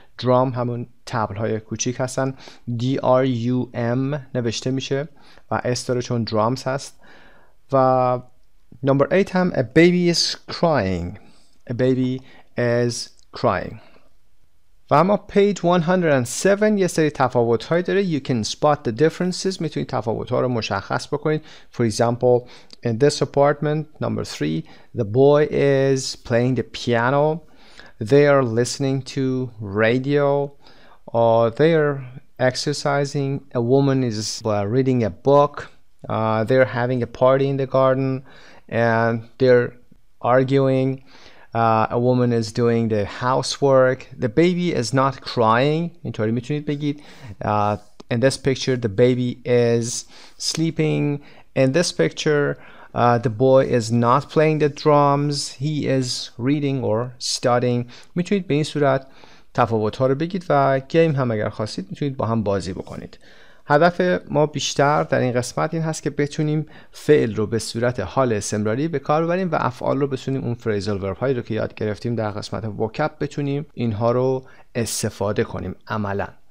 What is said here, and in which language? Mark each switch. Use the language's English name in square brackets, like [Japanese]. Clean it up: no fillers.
[Persian] درام همون تبل های کوچیک هستن. D-R-U-M نوشته میشه و S داره چون درامز هست. و نمبر 8 هم [English] A baby is crying. A baby is crying. [Persian] و اما page 107 یه سری تفاوت های داره. [English] You can spot the differences. [Persian] میتونید تفاوت ها رو مشخص بکنید. [English] For example, in this apartment, number 3, the boy is playing the piano. They are listening to radio. They are exercising. A woman is reading a book. They are having a party in the garden. And they are arguing. A woman is doing the housework. The baby is not crying. [Persian] اینطوری میتونید بگید. [English] In this picture, the baby is sleeping. In this picture, the boy is not playing the drums. He is reading or studying. [Persian] میتونید به این صورت تفاوت ها رو بگید و گیم هم اگر خواستید میتونید با هم بازی بکنید. هدف ما بیشتر در این قسمت این هست که بتونیم فعل رو به صورت حال استمراری به کار ببریم و افعال رو بتونیم اون فریزل ورب هایی رو که یاد گرفتیم در قسمت وکب بتونیم اینها رو استفاده کنیم عملا.